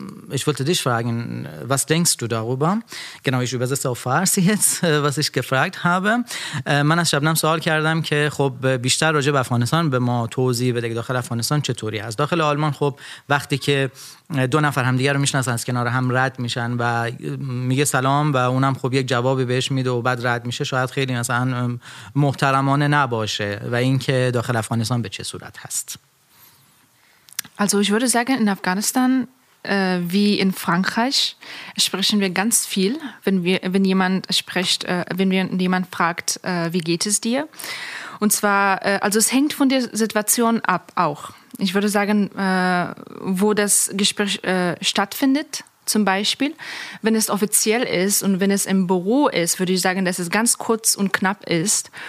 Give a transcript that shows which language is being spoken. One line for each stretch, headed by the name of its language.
German: Ich wollte dich fragen, was denkst du darüber? Genau, ich übersetze auf Farsi jetzt, was ich gefragt habe.
Persian: من از شبنم سوال کردم که خب بیشتر راجع به افغانستان به ما توضیح بده که داخل افغانستان چطوری است. داخل آلمان خب وقتی که دو نفر همدیگر رو میشناسن از کنار هم رد میشن و میگه سلام و اونم خب یک جوابی بهش میده و بعد رد میشه شاید خیلی مثلا محترمانه نباشه و اینکه داخل افغانستان به چه صورت هست.
German: Also ich würde sagen, in Afghanistan, wie in Frankreich, sprechen wir ganz viel, wenn jemand fragt, wie geht es dir? Und zwar, also es hängt von der Situation ab auch. Ich würde sagen, wo das Gespräch stattfindet, zum Beispiel, wenn es offiziell ist und wenn es im Büro ist, würde ich sagen, dass es ganz kurz und knapp ist.